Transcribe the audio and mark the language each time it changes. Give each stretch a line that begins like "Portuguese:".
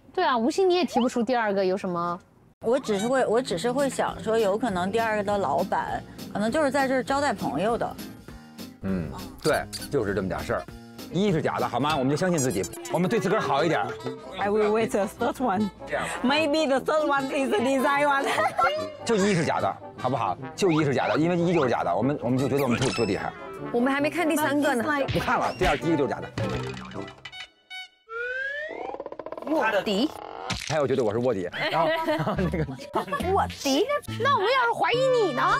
Chinese: 对啊，吴昕你也提不出第二个有什么？我只是会想说，有可能第二个的老板可能就是在这儿招待朋友的。嗯，对，就是这么点事儿，一是假的，好吗？我们就相信自己，我们对自个儿好一点。
English: I will wait the third one. Maybe the third one is the design one.
Chinese: 就一是假的。好不好？就一是假的，因为一就是假的，我们就觉得我们特厉害。我们还没看第三个呢，不看了。第二、第一个就是假的。卧底。还有觉得我是卧底，然后那个卧底。那我要是怀疑你呢？